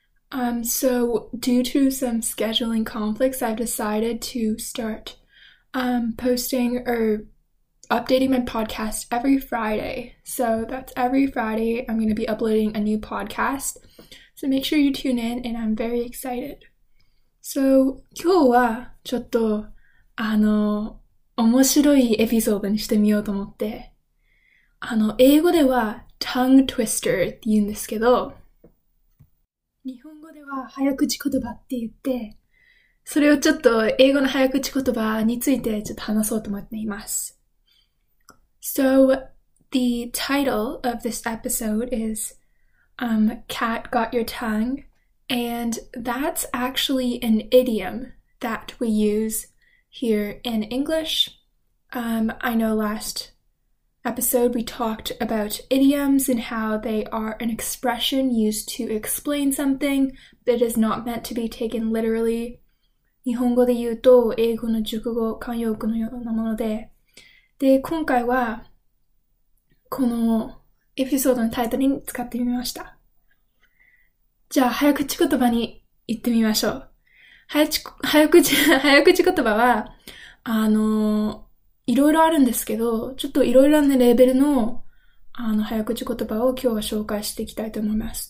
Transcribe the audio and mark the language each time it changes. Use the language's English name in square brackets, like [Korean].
[English] Due to some scheduling conflicts, I've decided to start posting or updating my podcast every Friday. So that's every Friday I'm going to be uploading a new podcast. So make sure you tune in, and I'm very excited. [Japanese] So 今日はちょっと面白いエピソードにしてみようと思って。英語では tongue twister って言うんですけど、日本語では早口言葉って言って、それをちょっと英語の早口言葉についてちょっと話そうと思っています。 [English] So, the title of this episode is, Cat Got Your Tongue, and that's actually an idiom that we use here in English. I know last episode we talked about idioms and how they are an expression used to explain something that is not meant to be taken literally. [Japanese] 日本語で言うと英語の熟語慣用句のようなもので、で今回はこのエピソードのタイトルに使ってみました。じゃあ早口言葉に言ってみましょう。早口言葉はいろいろあるんですけど、ちょっといろいろなレベルの早口言葉を今日は紹介していきたいと思います。